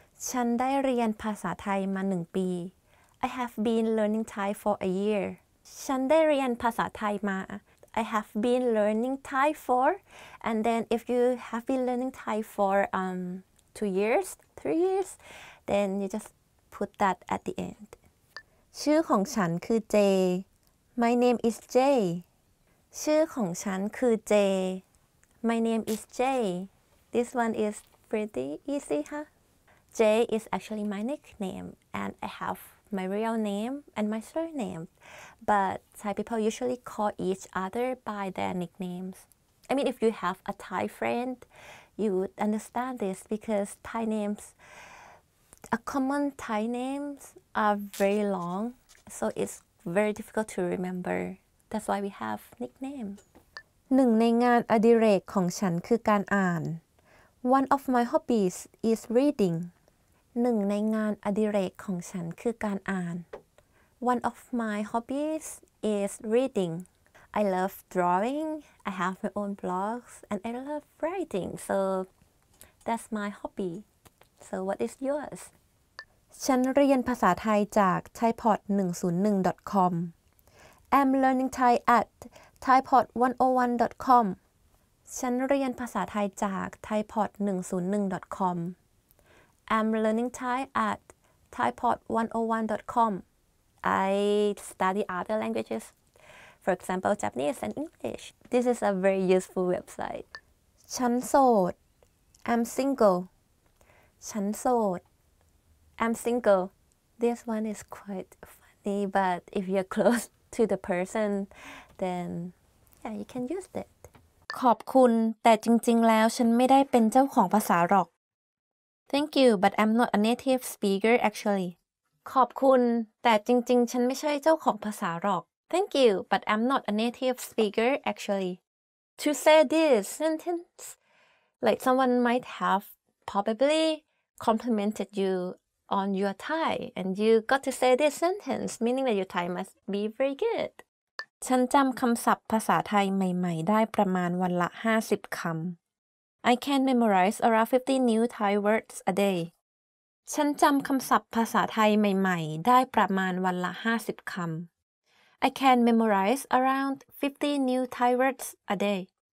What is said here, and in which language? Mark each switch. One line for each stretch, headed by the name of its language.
Thai: ฉันได้เรียนภาษาไทยมา1ปี
English: I have been learning Thai for a year
Thai: ฉันได้เรียนภาษาไทยมา
English: I have been learning Thai for and then if you have been learning Thai for 2 years, 3 years then you just put that at the end
Thai: ชื่อของฉันคือ
English: Jay My name is Jay
Thai: ชื่อของฉันคือ
English: Jay My name is Jay This one is pretty easy huhJay is actually my nickname, and I have my real name and my surname. But Thai people usually call each other by their nicknames. I mean, if you have a Thai friend, you would understand this because Thai names, a common Thai names are very long, so it's very difficult to remember. That's why we have nickname.
Thai: หนึ่งในงานอดิเรกของฉันคือการอ่าน
English: One of my hobbies is reading.
Thai: หนึ่งในงานอดิเรกของฉันคือการอ่าน
English: One of my hobbies is reading. I love drawing. I have my own blogs and I love writing. So that's my hobby. So what is yours?
Thai: ฉันเรียนภาษาไทยจาก thaipod101.com.
English: I'm learning Thai at thaipod101.com.
Thai: ฉันเรียนภาษาไทยจาก thaipod101.com.
English: I'm learning Thai at thaipod101.com. I study other languages, for example, Japanese and English. This is a very useful website.
Thai: ฉันโสด
English: I'm single.
Thai: ฉันโสด
English: I'm single. This one is quite funny, but if you're close to the person, then yeah, you can use it.
Thai: ขอบคุณแต่จริงๆแล้วฉันไม่ได้เป็นเจ้าของภาษาหรอก
English: Thank you, but I'm not a native speaker actually.
Thai: ขอบคุณแต่จริงๆฉันไม่ใช่เจ้าของภาษาหรอก
English: Thank you, but I'm not a native speaker, actually. To say this sentence, like someone might have probably complimented you on your Thai, and you got to say this sentence, meaning that your Thai must be very good.
Thai: ฉันจำคำศัพท์ภาษาไทยใหม่ๆได้ประมาณวันละ50คำ
English: I can memorize around 50 new Thai words a day.
Thai: ฉันจำคำศัพท์ภาษาไทยใหม่ๆได้ประมาณวันละ50คำ
English: I can memorize around 50 new Thai words a day.